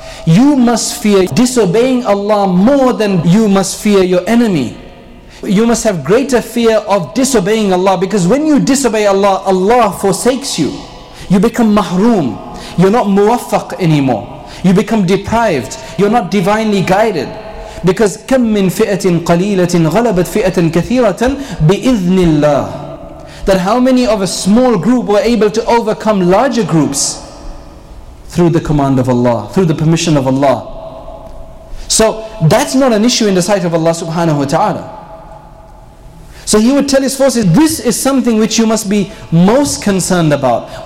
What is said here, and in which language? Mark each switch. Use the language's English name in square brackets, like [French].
[English] You must fear disobeying Allah more than you must fear your enemy. You must have greater fear of disobeying Allah, because when you disobey Allah, Allah forsakes you. You become mahroom. You're not muwaffaq anymore. You become deprived. You're not divinely guided. Because [Arabic] كَمْ مِنْ فِئَةٍ قَلِيلَةٍ غَلَبَتْ فِئَةً كَثِيرَةً بِإِذْنِ اللَّهِ. [English] That how many of a small group were able to overcome larger groups? Through the command of Allah, through the permission of Allah. So that's not an issue in the sight of Allah subhanahu wa ta'ala. So he would tell his forces, this is something which you must be most concerned about.